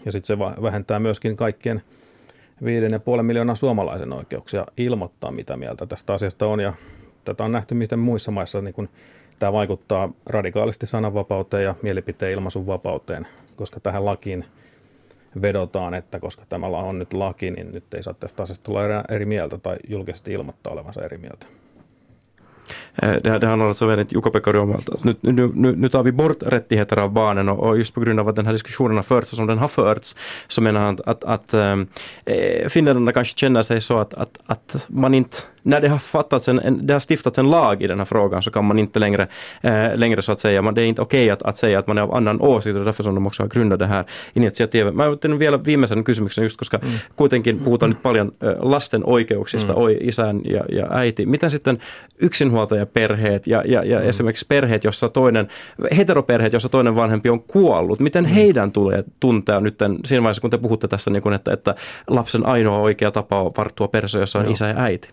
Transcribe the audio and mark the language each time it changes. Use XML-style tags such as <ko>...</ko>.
<fi>Ja sitten se vähentää myöskin kaikkien 5,5 miljoonaa suomalaisen oikeuksia ilmoittaa, mitä mieltä tästä asiasta on. Ja tätä on nähty miten muissa maissa, niin kuin tämä vaikuttaa radikaalisti sananvapauteen ja mielipiteen ilmaisun vapauteen. Koska tähän lakiin vedotaan, että koska tämä on nyt laki, niin nyt ei saa tästä asiasta olla eri mieltä tai julkisesti ilmoittaa olevansa eri mieltä.</fi> <sv>Det handlar alltså väldigt Jukka-Pekka Ruomalta. Nu tar vi bort rättigheter av barnen och just på grund av att den här diskussionen har förts och som den har förts, så menar han att finländarna kanske känner sig så att man inte, när det har fattats det har stiftats en lag i den här frågan, så kan man inte längre så att säga, men det är inte okej att säga att man är av annan åsikt, och därför som de också har grundat det här initiativet.</sv> <fi>Mä otin vielä viimeisen kysymyksen just, koska kuitenkin puhutaan nyt paljon lasten oikeuksista, isän ja äiti. Miten sitten yksinhuoltajaperheet ja esimerkiksi perheet, jossa toinen, heteroperheet, jossa toinen vanhempi on kuollut, miten heidän tulee tuntea nyt siinä vaiheessa, kun te puhutte tästä, niin kun, että lapsen ainoa oikea tapa on varttua perheessä, jossa on isä ja äiti.</fi>